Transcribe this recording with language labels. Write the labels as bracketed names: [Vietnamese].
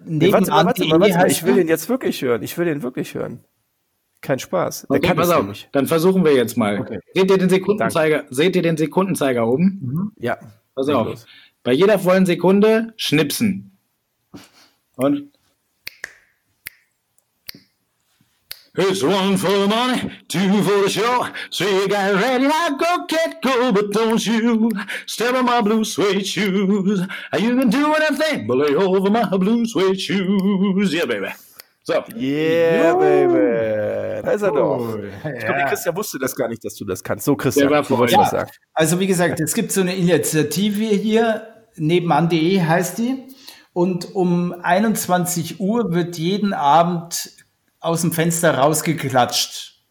[German] Warte, ich will den jetzt wirklich hören. Ich will den wirklich hören. Kein Spaß. Okay, der kann pass auf, nicht. Dann versuchen wir jetzt mal. Okay. Seht ihr den Sekundenzeiger oben? Mhm. Ja. Pass auf. Los. Bei jeder vollen Sekunde schnipsen. Und? [English] It's one for the money, two for the show. So you got ready, now go get go, but don't you step on my blue suede shoes. And you can do anything, but lay over my blue suede shoes. Yeah, baby. [German] So. [English] Yeah, baby. [German] Da ist er doch. Ich glaube, Christian wusste das gar nicht, dass du das kannst. So, Christian, du wolltest was sagen. Also, wie gesagt, es gibt so eine Initiative hier, nebenan.de heißt die. Und um 21 Uhr wird jeden Abend aus dem Fenster rausgeklatscht.